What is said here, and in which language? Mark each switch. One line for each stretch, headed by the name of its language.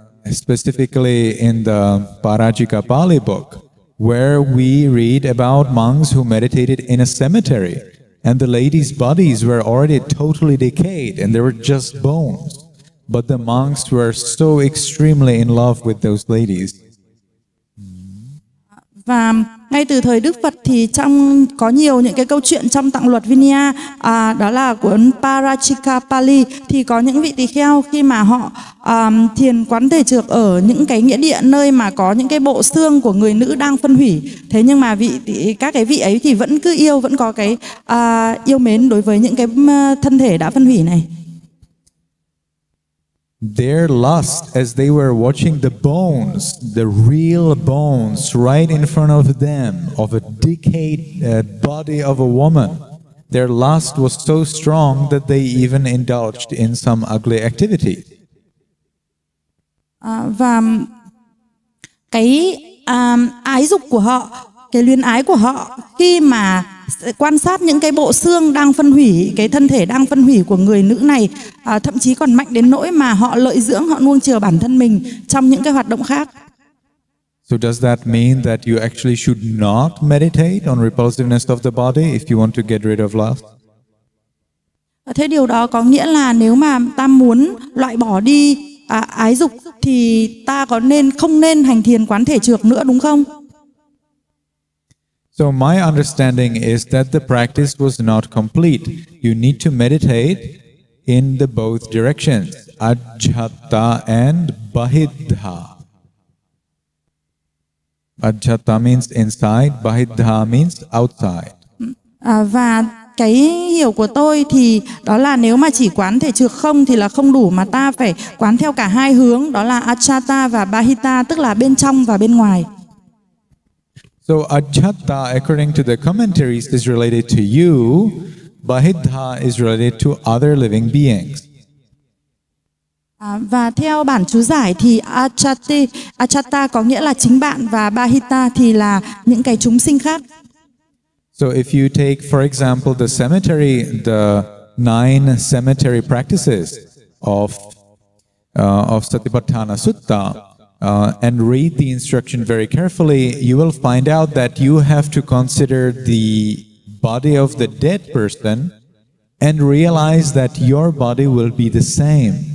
English: Specifically in the Parajika Pali book, where we read about monks who meditated in a cemetery. And the ladies' bodies were already totally decayed, and they were just bones. But the monks were so extremely in love with those ladies.
Vietnamese: Và ngay từ thời Đức Phật thì trong có nhiều những cái câu chuyện trong tạng luật Vinaya, đó là cuốn Parajika Pali, thì có những vị tỳ kheo khi mà họ thiền quán thể trược ở những cái nghĩa địa nơi mà có những cái bộ xương của người nữ đang phân hủy, thế nhưng mà các cái vị ấy thì vẫn cứ yêu, vẫn có cái yêu mến đối với những cái thân thể đã phân hủy này.
English: Their lust, as they were watching the bones, the real bones right in front of them, of a decayed body of a woman, their lust was so strong that they even indulged in some ugly activity.
Vietnamese: Và cái ái dục của họ cái luyến ái của họ khi mà quan sát những cái bộ xương đang phân hủy, cái thân thể đang phân hủy của người nữ này, thậm chí còn mạnh đến nỗi mà họ lợi dưỡng, họ nuông chiều bản thân mình trong những cái hoạt động khác.
English: So does that mean that you actually should not meditate on repulsiveness of the body if you want to get rid of lust?
Vietnamese: Thế điều đó có nghĩa là nếu mà ta muốn loại bỏ đi ái dục thì ta có nên không nên hành thiền quán thể trược nữa đúng không?
English: So my understanding is that the practice was not complete. You need to meditate in the both directions, ajhata and bahiddha. Ajhata means inside, bahiddha means outside.
Vietnamese: Và cái hiểu của tôi thì đó là nếu mà chỉ quán thể trược không thì là không đủ mà ta phải quán theo cả hai hướng, đó là ajhata và bahiddha, tức là bên trong và bên ngoài.
English: So ajhata, according to the commentaries, is related to you. Bahiddha is related to other living beings.
Vietnamese: Và theo bản chú giải thì ajhata có nghĩa là chính bạn và bahiddha thì là những cái chúng sinh khác.
English: So if you take, for example, the cemetery, the nine cemetery practices of Satipatthana Sutta, and read the instruction very carefully, you will find out that you have to consider the body of the dead person and realize that your body will be the same.